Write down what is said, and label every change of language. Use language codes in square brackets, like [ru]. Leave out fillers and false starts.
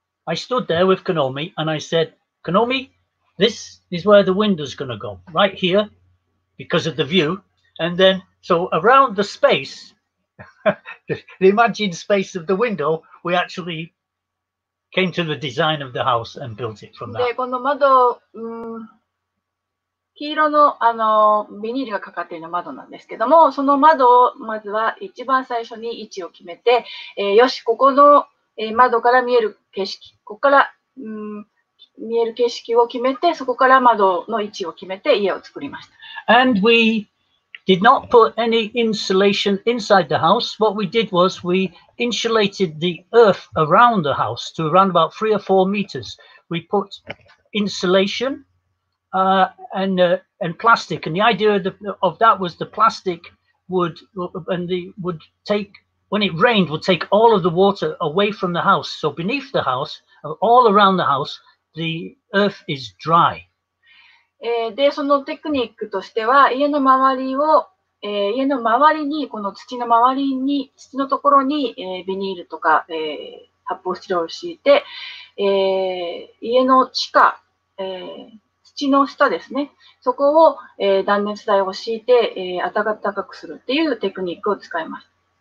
[en] I stood there with Konomi and I said, Konomi, this is where the window's going to go, right here, because of the view. And then, so around the space,the imagined space of the window, we actually came to the design of the house and built it from that. [ja] で、この窓、黄色の、ビニールがかかっている窓なんですけども、その窓をまずは一番最初に位置を決めて、よし、ここの、窓から見える景色、ここから、見える景色を決めて、そこから窓の位置を決めて家を作りました。 [en] And we... Did not put any insulation inside the house. What we did was we insulated the earth around the house to around about 3 or 4 meters. We put insulation and plastic. And the idea of that was the plastic would take all of the water away from the house. So beneath the house, all around the house, the earth is dry. [ja] で、そのテクニックとしては、家の周りを、家の周りに、この土の周りに、土のところに、ビニールとか、発泡スチロールを敷いて、家の地下、土の下ですね、そこを、断熱材を敷いて、暖かくするっていうテクニックを使いました。